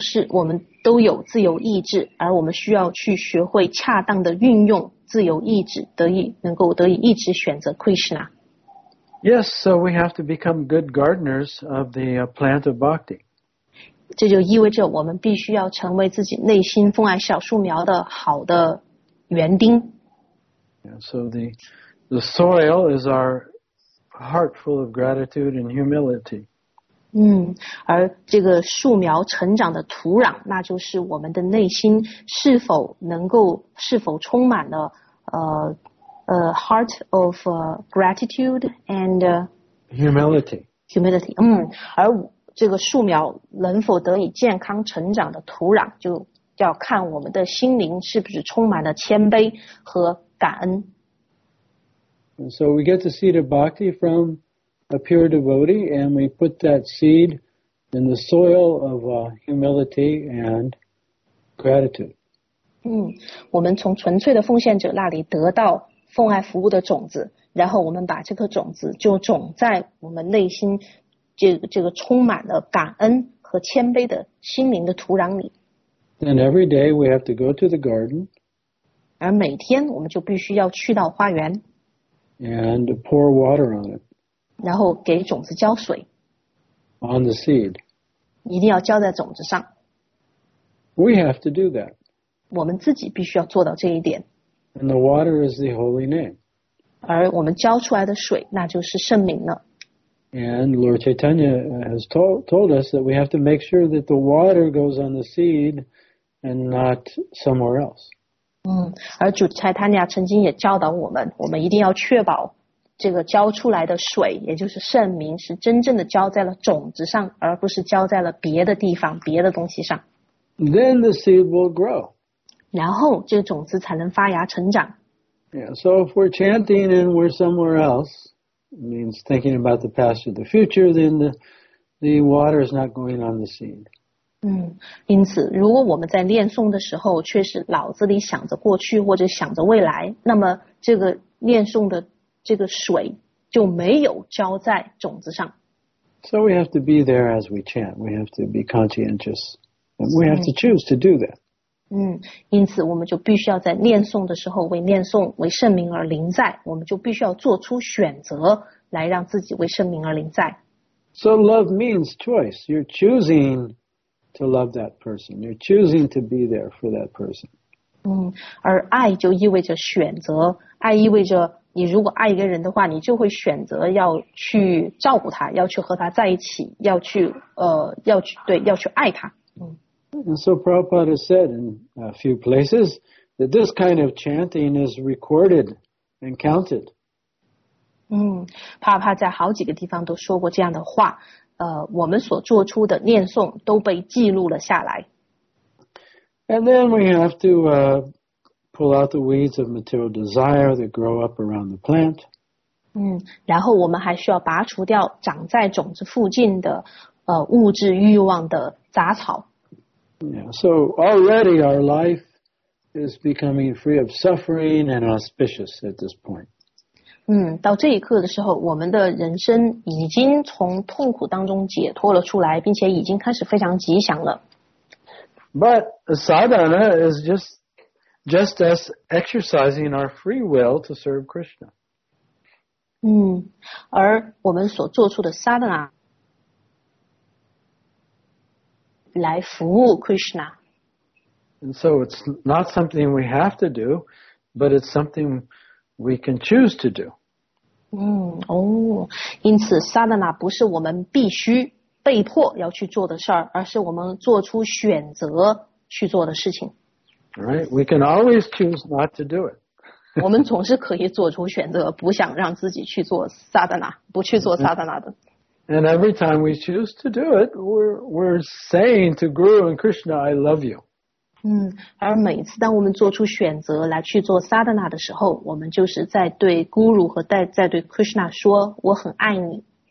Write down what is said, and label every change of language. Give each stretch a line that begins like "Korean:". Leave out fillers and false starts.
Chinese: 我们都有自由意志，而我们需要去学会恰当的运用自由意志，得以一直选择 Krishna。
English: Yes, so we have to become good gardeners of the plant of bhakti.
Chinese: 这就意味着我们必须要成为自己内心奉爱小树苗的好的园丁。
English: Yeah, so the soil is our heart full of gratitude and humility.
Chinese: 而这个树苗成长的土壤，那就是我们的内心是否充满了
English: A heart of gratitude and humility.
Chinese: 而这个树苗能否得以健康成长的土壤，就要看我们的心灵是不是充满了谦卑和感恩。
English: And so we get the seed of bhakti from a pure devotee, and we put that seed in the soil of humility and gratitude.
Chinese: 我们从纯粹的奉献者那里得到奉爱服务的种子，然后我们把这个种子就种在我们内心这个充满了感恩和谦卑的心灵的土壤里。
English: And every day we have to go to the garden.
Chinese: 而每天我们就必须要去到花园。
English: And pour water on it.
Chinese: 然后给种子浇水。
English: On the seed.
Chinese: 一定要浇在种子上。
English: We have to do that.
Chinese: 我们自己必须要做到这一点。
English: And the water is the holy name.
Chinese: 而我们浇出来的水那就是圣名了。
English: And Lord Chaitanya has told us that we have to make sure that the water goes on the seed and not somewhere else.
Chinese: 而主 Chaitanya 曾经也教导我们，我们一定要确保这个浇出来的水，也就是圣名，是真正的浇在了种子上，而不是浇在了别的地方，别的东西上。
English: Then the seed will grow.
Chinese: 然后这个种子才能发芽成长。
English: Yeah, so if we're chanting and we're somewhere else,means thinking about the past or the future, then the water is not going on the seed.
Chinese: 因此如果我们在念诵的时候却是脑子里想着过去或者想着未来，那么这个念诵的这个水就没有浇在种子上。
English: So we have to be there as we chant. We have to be conscientious. And we have to choose to do that.
Chinese: 因此我们就必须要在念诵的时候为念诵为圣名而临在，我们就必须要做出选择来让自己为圣名而临在。
English: So love means choice. You're choosing to love that person. You're choosing to be there for that person.
Chinese: 而爱就意味着选择，爱意味着你如果爱一个人的话，你就会选择要去照顾他，要去和他在一起，要去要去对要去爱他。
English: And so Prabhupada has said in a few places that this kind of chanting is recorded and counted.
Chinese: Prabhupada 在好几个地方都说过这样的话，我们所做出的念诵都被记录了下来。
English: And then we have to pull out the weeds of material desire that grow up around the plant.
Chinese: 然后我们还需要拔除掉长在种子附近的物质欲望的杂草。
English: Yeah, so already our life is becoming free of suffering and auspicious at this point.
Chinese: 到这一刻的时候，我们的人生已经从痛苦当中解脱了出来，并且已经开始非常吉祥了。
English: But sadhana is just us exercising our free will to serve Krishna.
Chinese: 而我们所做出的 sadhana来服务 Krishna.
English: And so it's not something we have to do, but it's something we can choose to do.
Chinese: 因此 sadhana 不是我们必须被迫要去做的事儿，而是我们做出选择去做的事情。
English: Right, we can always choose not to do it.
Chinese: 我们总是可以做出选择，不想让自己去做 sadhana, 不去做 sadhana 的。
English: And every time we choose to do it, we're saying to Guru and Krishna, I love you.
Chinese: 而每次当我们做出选择来去做 sadhana 的时候，我们就是在对 Guru 和在对 Krishna 说，我很爱你。